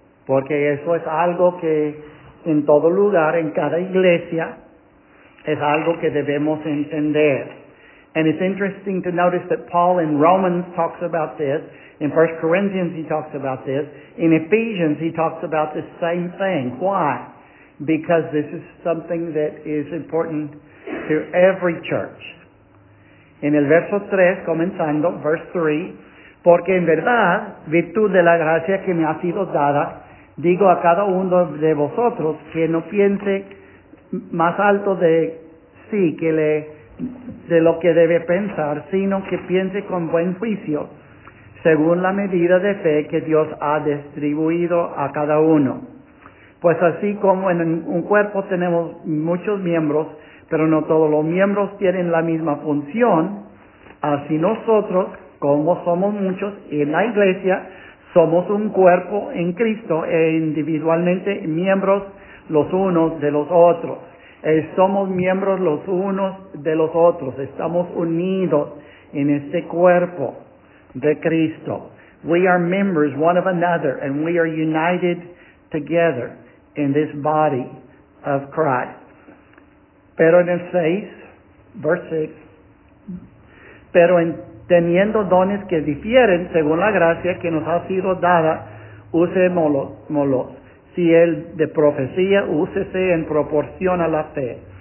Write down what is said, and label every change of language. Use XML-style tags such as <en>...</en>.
<es>Porque eso es algo que en todo lugar, en cada iglesia, es algo que debemos entender.</es> <en>And it's interesting to notice that Paul in Romans talks about this. In 1 Corinthians he talks about this. In Ephesians he talks about the same thing. Why? Because this is something that is important to every church.</en> <es>En el verso 3, comenzando,</es> <en>verse 3,</en> <es>porque en verdad, virtud de la gracia que me ha sido dada, digo a cada uno de vosotros que no piense más alto de sí que le de lo que debe pensar, sino que piense con buen juicio, según la medida de fe que Dios ha distribuido a cada uno. Pues así como en un cuerpo tenemos muchos miembros, pero no todos los miembros tienen la misma función, así nosotros, como somos muchos en la iglesia, somos un cuerpo en Cristo e individualmente miembros los unos de los otros. Somos miembros los unos de los otros. Estamos unidos en este cuerpo de Cristo.</es> <en>We are members one of another, and we are united together in this body of Christ.</en> <es>Pero en el 6,</es> <en>verse 6,</en> <es>pero en teniendo dones que difieren según la gracia que nos ha sido dada, usémoslos. Si el de profecía, úsese en proporción a la fe.</es>